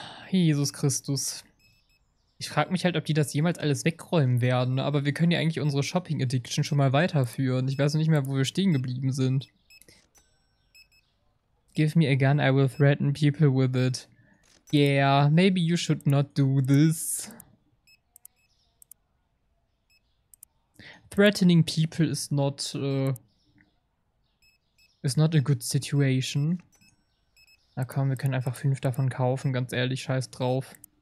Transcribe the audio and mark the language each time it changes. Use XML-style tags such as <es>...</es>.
<de>Jesus Christus. Ich frage mich halt, ob die das jemals alles wegräumen werden. Aber wir können ja eigentlich unsere Shopping Addiction schon mal weiterführen. Ich weiß noch nicht mehr, wo wir stehen geblieben sind.</de> <en>Give me a gun, I will threaten people with it. Yeah, maybe you should not do this. Threatening people is not a good situation.</en> <de>Na komm, wir können einfach 5 davon kaufen, ganz ehrlich, scheiß drauf.</de>